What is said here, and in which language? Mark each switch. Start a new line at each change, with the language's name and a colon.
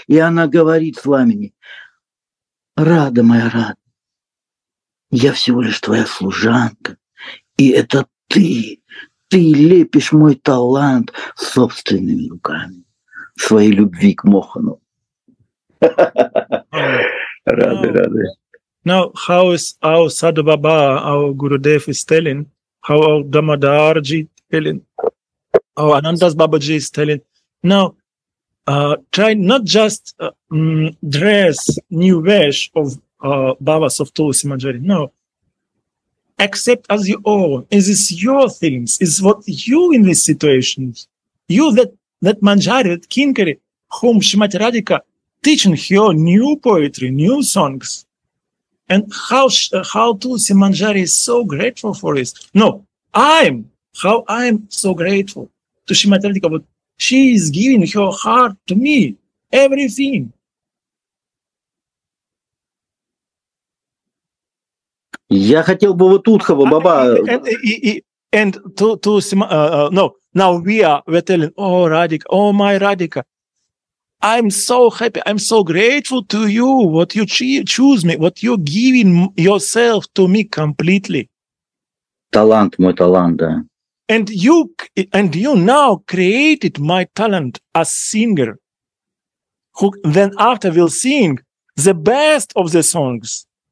Russian: И она говорит Свамини: «Рада моя, Рада, я всего лишь твоя служанка, и это ты». ты лепишь мой талант собственными руками, своей любви к Мохану. Рады, рады.
English: Now, how is our Sadhu Baba, our Gurudev is telling, how our Damodarji is telling, our Ananda's Babaji is telling, now, try not just dress new vesh of Babas of Tulsi Manjari, no, accept as you own, is this your things, is what you in this situation, you that Manjari, that Kinkari, whom Shrimati Radhika teaching her new poetry, new songs, and how Tulsi Manjari is so grateful for this. No, I'm so grateful to Shrimati Radhika, but she is giving her heart to me, everything.
Russian: Я хотел бы вот Утхова, Баба.
English: Now we're telling, oh, Radhika, oh, my Radhika, I'm so happy, I'm so grateful to you, what you choose me, what you're giving yourself to me completely.
Russian: Талант, мой талант, да.
English: And you now created my talent as singer, who then after will sing the best of the songs.